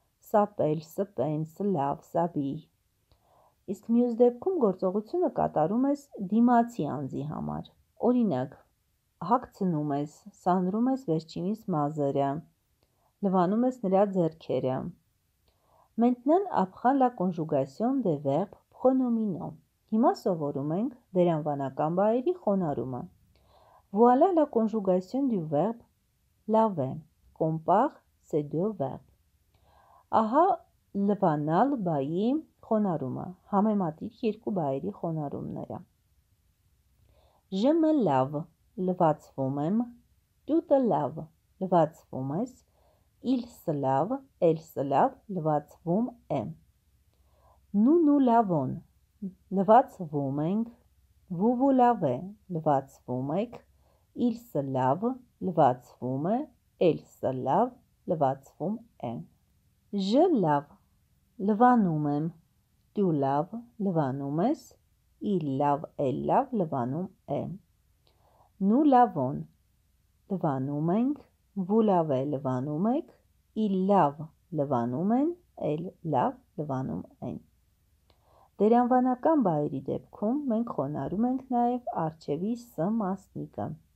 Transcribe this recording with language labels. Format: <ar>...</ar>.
<fr>Սապել, սպեն, սլավ, սաբի։</fr> <hy>Իսկ մյուս դեպքում գործողությունը կատարում ես դիմացի անձի համար։ Օրինակ, հագցնում ես, սանրում ես վերջինիս մազերը, լվանում ես նրա ձեռքերը։</hy> <fr>Maintenant apprend la conjugation des verbes pronominaux.</fr> <hy>Հիմա սովորում ենք դերանվանական բայերի խոնարհումը։</hy> <fr>Voilà la conjugation du verbe laver. Compare ces deux verbes.</fr> <hy>Ահա լվանալ բայի խոնարհումը, համեմատիր երկու բայերի խոնարհումները։</hy> <fr>Je me lave.</fr> <hy>Լվացվում եմ։</hy> <fr>Tu te laves.</fr> <hy>Լվացվում ես։</hy> <fr>Il se lave, elle se lave,</fr> <hy>լվացվում է։</hy> <fr>Nous nous lavons.</fr> <hy>Լվացվում ենք։</hy> <fr>Vous vous lavez.</fr> <hy>Լվացվում եք։</hy> <fr>Il se lave,</fr> <hy>լվացվում է։</hy> <fr>Elle se lave, լվացվում է։ Je lave.</fr> <hy>Լվանում եմ։</hy> <fr>Tu laves.</fr> <hy>Լվանում ես։</hy> <fr>Il lave, elle lave,</fr> <hy>լվանում է։</hy> <fr>Nous lavons.</fr> <hy>Լվանում ենք։</hy> <fr>Vous lavez.</fr> <hy>Լվանում եք։</hy> <fr>Il lave,</fr> <hy>լվանում են,</hy> <fr>elle lave,</fr> <hy>լվանում են։ Դերանվանական բայերի դեպքում մենք խոնարհում ենք նաև առջևի «-ս» մասնիկը։</hy>